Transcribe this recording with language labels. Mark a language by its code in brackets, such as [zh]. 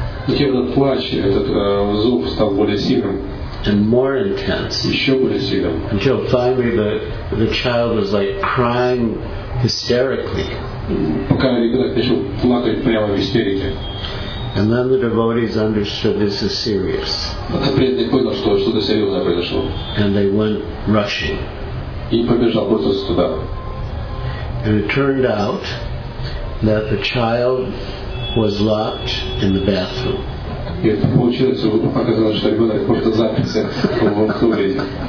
[ru] Затем этот плач, этот зов стал более сильным. [en] And more intense. [ru] Еще более сильным. [en] Until finally the child was like crying hysterically. [ru] Пока ребенок начал плакать прямо в истерике. [en] And then the devotees understood this is serious. [ru] Тогда преданные поняли, что что-то серьезное произошло. [en] And they went rushing. [ru] И побежал просто туда. [en] And it turned out that the child was locked in the bathroom. [ru] И это получилось, что оказалось, что ребенок просто заперся в туалете.